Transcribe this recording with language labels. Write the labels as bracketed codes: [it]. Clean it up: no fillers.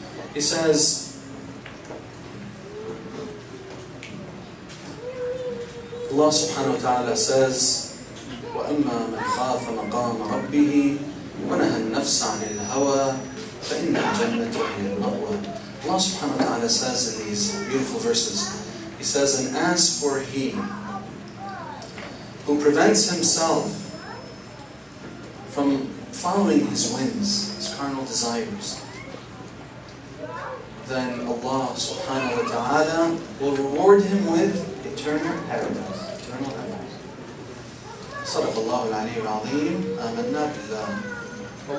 [en] He says, Allah subhanahu wa ta'ala says, [ar] وَأَمَّا مَنْ خَافَ مَقَامَ رَبِّهِ وَنَهَى النَّفْسَ عَنِ الْهَوَى فَإِنَّ الْجَنَّةَ هِيَ الْمَأْوَى. [en] Allah subhanahu wa ta'ala says in these beautiful verses, He says, and as for he who prevents himself from following his whims, his carnal desires, then Allah subhanahu wa ta'ala will reward him with eternal paradise. Eternal paradise. [ar] صدق الله العلي العظيم آمنا بالله صلى